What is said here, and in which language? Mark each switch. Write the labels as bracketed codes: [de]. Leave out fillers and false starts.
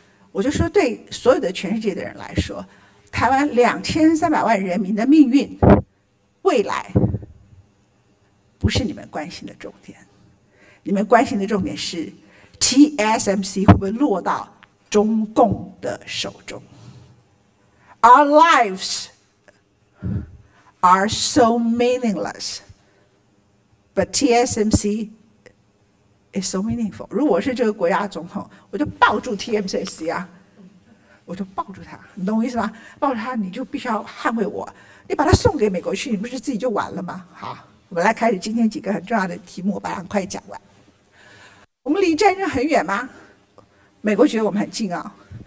[zh] 我就说对所有的全世界的人来说，台湾2300万人民的命运未来不是你们关心的重点，你们关心的重点是 TSMC 会不会落到中共的手中。 [en] Our lives are so meaningless, but TSMCIt's so meaningful. [zh] 如果我是这个国家总统，我就抱住 TSMC 啊，我就抱住他，你懂我意思吗？抱住他，你就必须要捍卫我。你把他送给美国去，你不是自己就完了吗？好，我们来开始今天几个很重要的题目，我把它很快讲完。我们离战争很远吗？美国觉得我们很近啊，哦。